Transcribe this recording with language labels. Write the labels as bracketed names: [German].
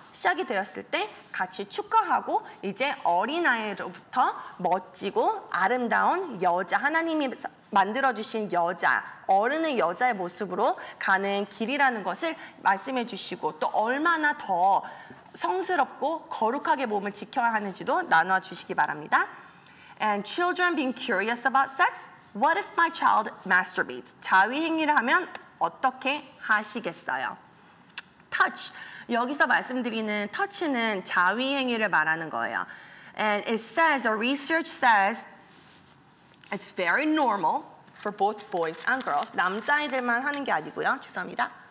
[Korean] 시작이 되었을 때 같이 축하하고 이제 어린아이로부터 멋지고 아름다운 여자, 하나님이 만들어주신 여자, 어른의 여자의 모습으로 가는 길이라는 것을 말씀해 주시고 또 얼마나 더 성스럽고 거룩하게 몸을 지켜야 하는지도 나눠주시기 바랍니다. [English] And children being curious about sex, what if my child masturbates? [Korean] 자위 행위를 하면 어떻게 하시겠어요? Touch, 여기서 말씀드리는 touch는 자위 행위를 말하는 거예요. [English] And it says, the research says, it's very normal for both boys and girls. [Korean] 남자아이들만 하는 게 아니고요. 죄송합니다.